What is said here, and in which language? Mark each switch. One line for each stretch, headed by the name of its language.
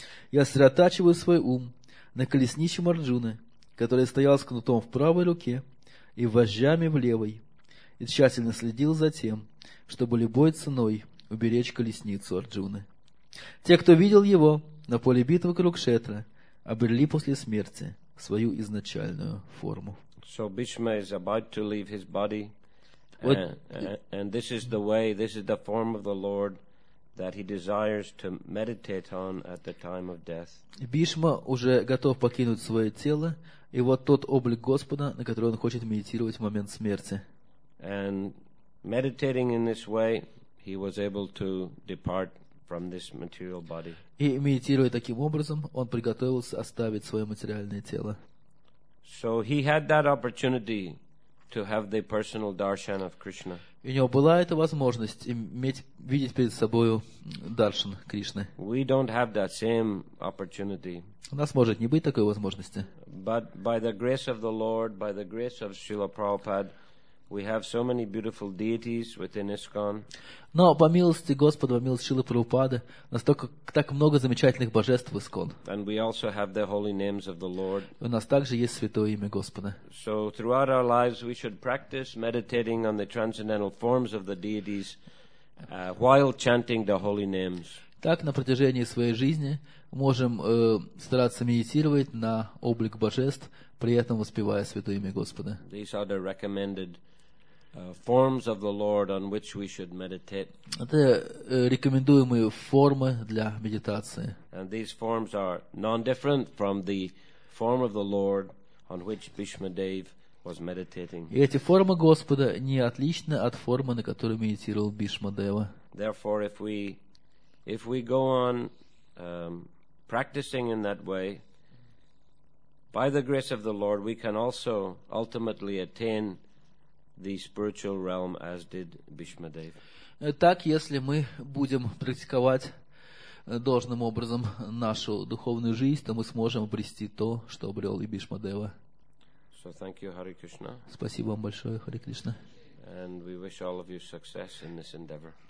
Russian: Я сосредотачиваю свой ум на колеснице Арджуны, которая стояла с кнутом в правой руке и вожжами в левой, и тщательно следил за тем, чтобы любой ценой уберечь колесницу Арджуны. Те, кто видел его на поле битвы Курукшетра, обрели после смерти свою изначальную форму.
English: So Bhishma is about to leave his body, and this is the way, this is the form of the Lord that he desires to meditate on at the time of death.
Russian: Бишма уже готов покинуть свое тело, и вот тот облик Господа, на который он хочет медитировать в момент смерти.
English: And meditating in this way, he was able to depart from this material body.
Russian: И медитируя таким образом, он приготовился оставить свое материальное тело.
English: So he had that opportunity to have the personal darshan of Krishna.
Russian: У него была эта возможность иметь, видеть перед собой даршан Кришны.
English: We don't have that same opportunity.
Russian: У нас может не быть такой возможности.
English: But by the grace of the Lord, by the grace of Srila Prabhupada, we have so many beautiful deities within ISKCON.
Russian: Но по милости Господа, по милости Шрилы Прабхупады, у нас так много замечательных божеств в ИСККОН.
English: And we also have the holy names of the Lord.
Russian: У нас также есть святое имя Господа.
English: So throughout our lives we should practice meditating on the transcendental forms of the deities while chanting the holy names.
Russian: Так на протяжении своей жизни можем стараться медитировать на облик божеств, при этом воспевая святое имя Господа.
English: These are the recommended forms of the Lord on which we should meditate.
Russian: Это рекомендуемые формы для медитации.
English: And these forms are non-different from the form of the Lord on which Bhishma Dev was meditating.
Russian: И эти формы Господа не отличны от формы, на которой медитировал Бишма Дева.
English: Therefore, if we go on practicing in that way, by the grace of the Lord, we can also ultimately attain the spiritual realm, as did Bhishma Dev.
Russian: Так, если мы будем практиковать должным образом нашу духовную жизнь, то мы сможем обрести то, что обрел и Бишма Дева.
English: So thank you, Hare Krishna.
Russian: Спасибо вам большое, Харе Кришна.
English: And we wish all of you success in this endeavor.